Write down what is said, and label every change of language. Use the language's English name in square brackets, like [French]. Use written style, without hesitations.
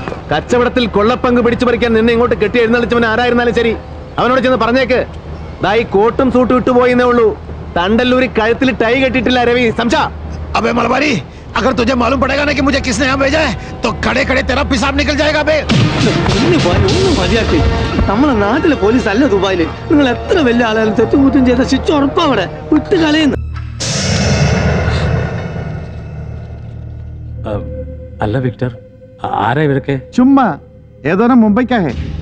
[Malayalam] കച്ചവടത്തിൽ കൊള്ളപ്പങ്ക് പിടിച്ചു പറിക്കാൻ നിന്നെ ഇങ്ങോട്ട് കെട്ടി എഴുന്നള്ളിച്ചവൻ ആരായിരുന്നാലും ശരി, അവനോട് ചെന്ന് പറഞ്ഞേക്ക് ദായി കോട്ടും സൂട്ടും ഇട്ടുപോയിന്നേ ഉള്ളൂ, തണ്ടല്ലൂരി കഴുത്തിൽ ടൈ കെട്ടിട്ടില്ല. രവി സംശ അബേ മലബാരി, [Hindi] अगर तुझे मालूम पड़ेगा ना कि मुझे किसने यहाँ भेजा है तो खड़े खड़े तेरा पिसाब निकल जाएगा बे। [Malayalam] നമ്മളെ നാട്ടിലെ പോലീസ് അല്ല ദുബായില് നിങ്ങൾ എത്ര വലിയ ആളായാലും തെറ്റുകൂറ്റം ചെയ്ത ശിച്ച് ഉറപ്പാ അവിടെ വിട്ടു കളയുന്നു. അല്ല വിക്ടർ, ആരാ ഇവരൊക്കെ? ചുമ്മാ ഏതോനം മുംബൈക്കാകെ.